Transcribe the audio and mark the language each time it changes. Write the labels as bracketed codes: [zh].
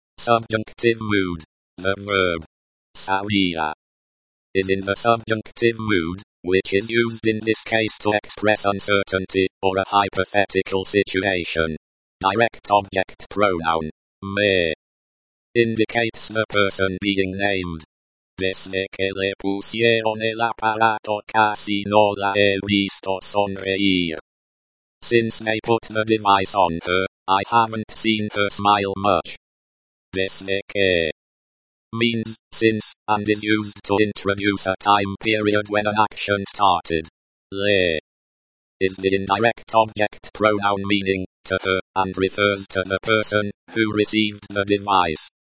[en] Subjunctive mood, the verb sabía is in the subjunctive mood, which is used in this case to express uncertainty or a hypothetical situation. Direct object pronoun, me, indicates the person being named. [es] Desde que le pusieron el aparato casi no la he visto sonreír. [en] Since they put the device on her, I haven't seen her smile much. Desde que means since, and is used to introduce a time period when an action started. Le is the indirect object pronoun meaning to her, and refers to the person who received the device.